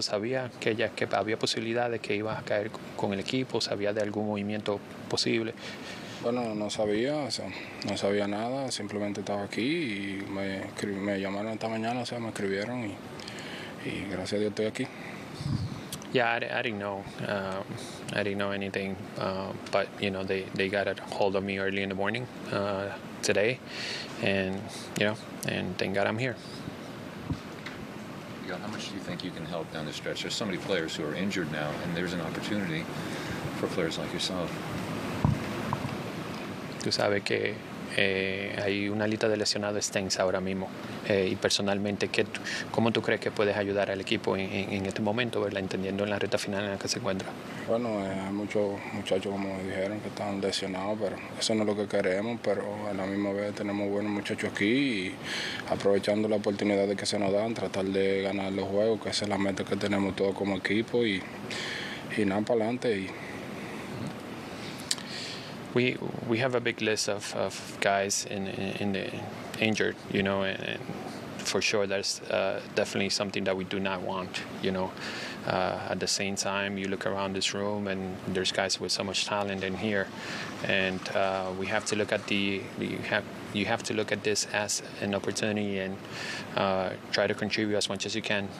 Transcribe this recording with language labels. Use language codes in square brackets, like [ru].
[es] Sabía que ya que había posibilidades que ibas a caer con el equipo, sabía de algún movimiento posible. Bueno, no sabía, o sea, no sabía nada, simplemente estaba aquí y me llamaron esta mañana, o sea, me escribieron y gracias a Dios estoy aquí. [en] Yeah, I didn't know anything, but you know, they got a hold of me early in the morning today, and you know, and thank God I'm here. Miguel, how much do you think you can help down the stretch? There's so many players who are injured now, and there's an opportunity for players like yourself. [es] Tú sabes que hay una lista de lesionados extensa ahora mismo. Y personalmente, ¿cómo tú crees que puedes ayudar al equipo en este momento, ¿verdad? Entendiendo en la recta final en la que se encuentra? Bueno, hay muchos muchachos, como dijeron, que están lesionados, pero eso no es lo que queremos, pero a la misma vez tenemos buenos muchachos aquí y aprovechando la oportunidad de que se nos dan, tratar de ganar los juegos, que esa es la meta que tenemos todos como equipo y nada para adelante. [en] We have a big list of guys in the injured, you know, and for sure that's definitely something that we do not want, you know. At the same time, you look around this room and there's guys with so much talent in here, and we have to look at this as an opportunity and try to contribute as much as you can.